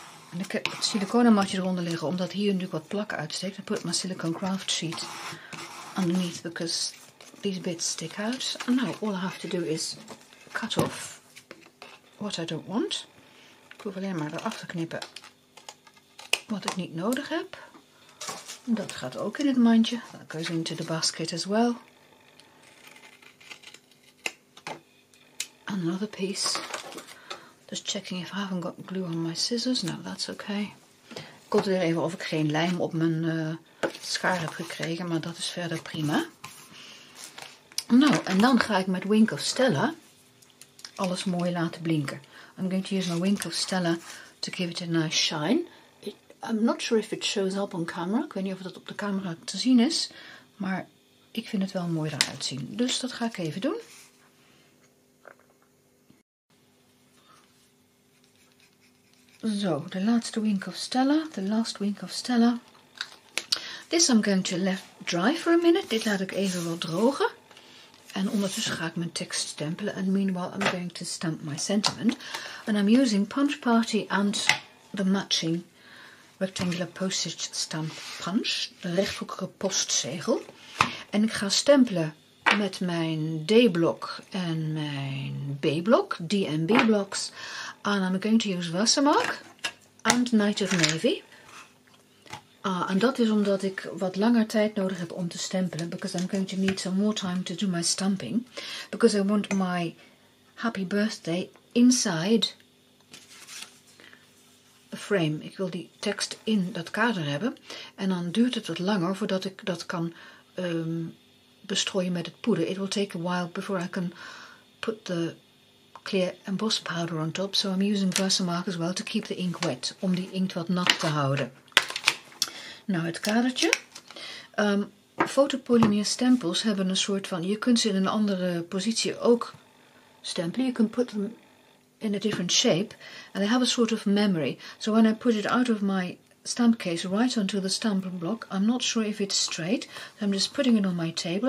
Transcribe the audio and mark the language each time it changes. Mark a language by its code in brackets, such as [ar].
[nl] En ik heb het siliconenmatje eronder liggen, omdat hier natuurlijk wat plak uitsteekt. [en] I put my silicone craft sheet underneath, because these bits stick out. And now all I have to do is cut off what I don't want. [nl] Ik hoef alleen maar eraf te knippen wat ik niet nodig heb. Dat gaat ook in het mandje. [en] That goes into the basket as well. And another piece. Just checking if I haven't got glue on my scissors. No, that's okay. [nl] Ik controleer even of ik geen lijm op mijn schaar heb gekregen, maar dat is verder prima. Nou, en dan ga ik met Wink of Stella alles mooi laten blinken. [en] I'm going to use my Wink of Stella to give it a nice shine. I'm not sure if it shows up on camera. [nl] Ik weet niet of dat op de camera te zien is, maar ik vind het wel mooi eruit zien. Dus dat ga ik even doen. Zo, de laatste wink of Stella. [en] The last wink of Stella. This I'm going to let dry for a minute. [nl] Dit laat ik even wat drogen. En ondertussen ga ik mijn tekst stempelen. [en] And meanwhile I'm going to stamp my sentiment. And I'm using Punch Party and the matching rectangular postage stamp punch. [nl] De rechthoekige postzegel. En ik ga stempelen met mijn D-blok en mijn B-blok. D en B-bloks. [en] And I'm going to use Wassermark and Knight of Navy. [nl] And dat is omdat ik wat langer tijd nodig heb om te stempelen. [en] Because I'm going to need some more time to do my stamping. Because I want my happy birthday inside a frame. [nl] Ik wil die tekst in dat kader hebben. En dan duurt het wat langer voordat ik dat kan bestrooien met het poeder. [en] It will take a while before I can put the clear emboss powder on top, so I'm using Versamark as well to keep the ink wet, [nl] om die inkt wat nat te houden. Nou, het kadertje. Fotopolymeer stempels hebben een soort van, je kunt ze in een andere positie ook stempelen. [en] You can put them in a different shape, and they have a sort of memory. So when I put it out of my stamp case right onto the stamp block, I'm not sure if it's straight, so I'm just putting it on my table.